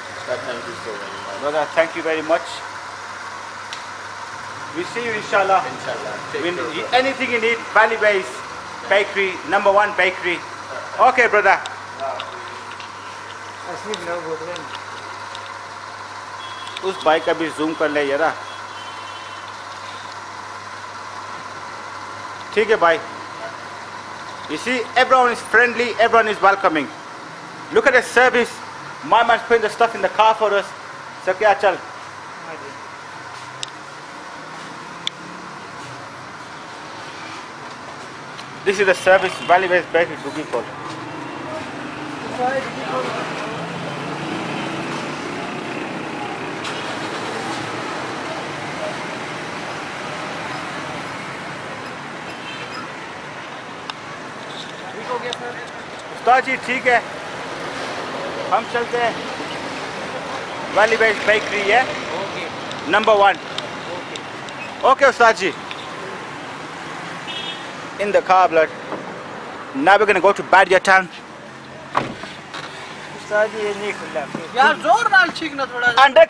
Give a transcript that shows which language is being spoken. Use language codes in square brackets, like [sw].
[en] Thank you so much. Brother, thank you very much. We see you, inshallah. Inshallah. We need anything you need, Valley Base. Bakery, number one bakery. Okay, brother. I sleep now, brother. [ur] اس بھائی کا بھی zoom کر لے یارا۔ ٹھیک ہے بھائی۔ [en] You see, everyone is friendly, everyone is welcoming. Look at the service. My man's putting the stuff in the car for us. [ur] سو کیا چل؟ [en] This is the service Valley Base Bakery is looking for. [ur] استاد جی، ٹھیک ہے۔ ہم چلتے ہیں۔ [en] Valley Base Bakery, yeah? Okay. Number one. Okay, Ustad ji. In the car, blood. Now we're gonna go to Badia town. Yeah,